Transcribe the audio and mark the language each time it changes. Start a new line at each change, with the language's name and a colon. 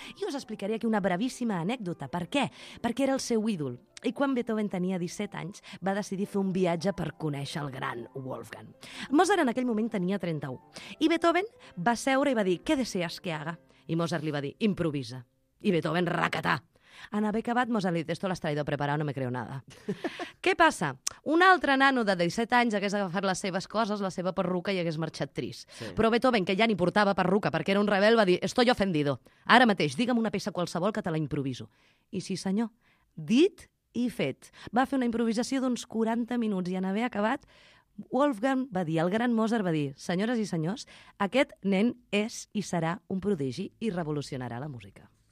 Catalan: I us explicaré aquí una brevíssima anècdota. Per què? Perquè era el seu ídol. I quan Beethoven tenia 17 anys, va decidir fer un viatge per conèixer el gran Wolfgang. Mozart en aquell moment tenia 31. I Beethoven va seure i va dir,
Spanish: què desees que haga?
Catalan: I Mozart li va dir, improvisa. I Beethoven, racatà. En haver acabat, Mozart li ha dit,
Spanish: esto lo has traído preparado, no me creo nada.
Catalan: Què passa? Un altre nano de 17 anys hagués agafat les seves coses, la seva perruca, i hagués marxat trist. Sí. Però Beethoven, que ja ni portava perruca perquè era un rebel, va dir,
Spanish: estoy ofendido.
Catalan: Ara mateix, digue'm una peça qualsevol que te la improviso. I sí, senyor, dit i fet. Va fer una improvisació d'uns 40 minuts i en haver acabat, Wolfgang va dir, el gran Mozart va dir, senyores i senyors, aquest nen és i serà un prodigi i revolucionarà la música.